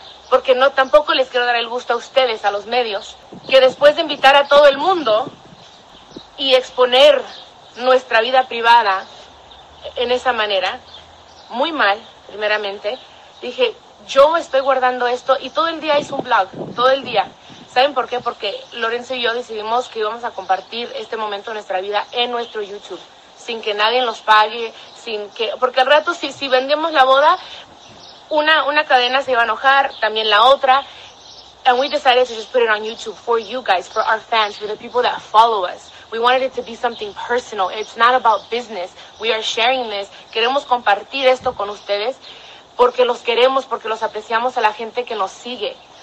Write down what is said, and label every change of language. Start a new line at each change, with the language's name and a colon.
Spanish: Porque no, tampoco les quiero dar el gusto a ustedes, a los medios, que después de invitar a todo el mundo y exponer nuestra vida privada en esa manera, muy mal, primeramente, dije, yo estoy guardando esto y todo el día hice un blog, todo el día. ¿Saben por qué? Porque Lorenzo y yo decidimos que íbamos a compartir este momento de nuestra vida en nuestro YouTube, sin que nadie nos pague, porque al rato si vendemos la boda, una cadena se iba a enojar, también la otra.
English: And we decided to just put it on YouTube for you guys, for our fans, for the people that follow us. We wanted it to be something personal. It's not about business. We are sharing this.
Spanish: Queremos compartir esto con ustedes porque los queremos, porque los apreciamos, a la gente que nos sigue.